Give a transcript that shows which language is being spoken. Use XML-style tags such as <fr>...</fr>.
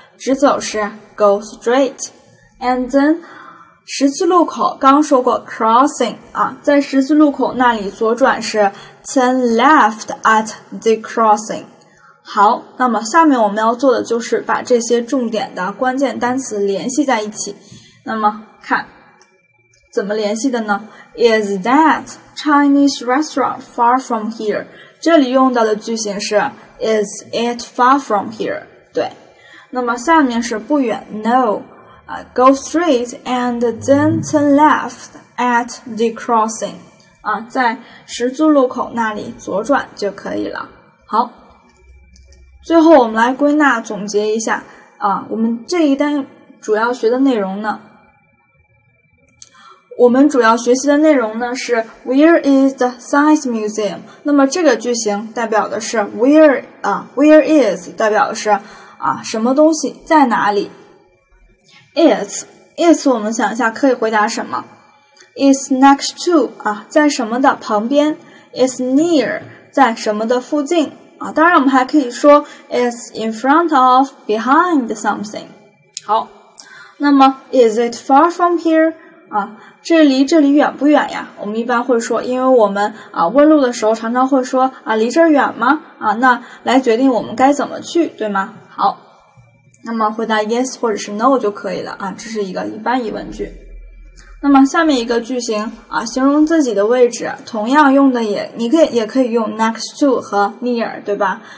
<zh>直走是 go straight， and then 十字路口刚说过 crossing 啊，在十字路口那里左转是</zh> <en>turn left at the crossing。</en> <zh>好，那么下面我们要做的就是把这些重点的关键单词联系在一起。那么看怎么联系的呢</zh> <en>？Is that Chinese restaurant far from here？</en> <zh>这里用到的句型是。</zh> <en>Is it far from here?</en> <zh>对，那么下面是不远 ，No.</zh> <en>Go straight and then turn left at the crossing.</en> <zh>啊，在十字路口那里左转就可以了。好，最后我们来归纳总结一下啊，我们这一单主要学的内容呢，我们主要学习的内容呢是</zh> <en>Where is the science museum?</en> <zh>那么这个句型代表的是 Where is 代表的是啊什么东西在哪里。 It's 我们想一下可以回答什么。</zh> <en>It's next to</en> <zh>啊在什么的旁边。 It's near 在什么的附近啊，当然我们还可以说</zh> <en>It's in front of behind something。好，那么 Is it far from here?</en> <zh>啊，这离这里远不远呀？我们一般会说，因为我们啊问路的时候常常会说啊，离这儿远吗？啊，那来决定我们该怎么去，对吗？好，那么回答 yes 或者是 no 就可以了啊，这是一个一般疑问句。那么下面一个句型啊，形容自己的位置，同样用的也可以用 next to 和 near， 对吧？</zh>